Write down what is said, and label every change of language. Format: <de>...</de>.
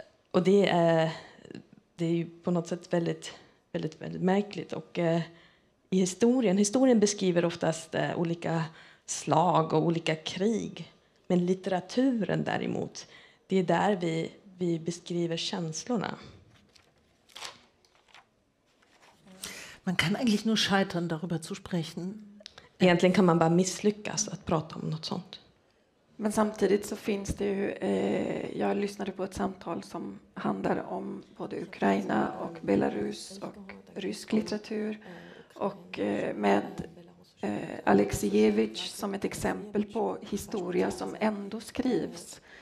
<sv>Och det är ju på något sätt väldigt, väldigt, väldigt märkligt. Och i historien beskriver oftast olika slag och olika krig. Men litteraturen däremot, det är där vi beskriver känslorna.</sv> <de>Man kann eigentlich nur scheitern, darüber zu sprechen.</de> <sv>Egentligen kann man bara misslyckas att prata om något sånt. Men samtidigt så finns det ju, jag lyssnade på ett samtal som handlar om både Ukraina och Belarus och rysk litteratur. Och med Alexievich som ett exempel på historia som ändå skrivs.</sv>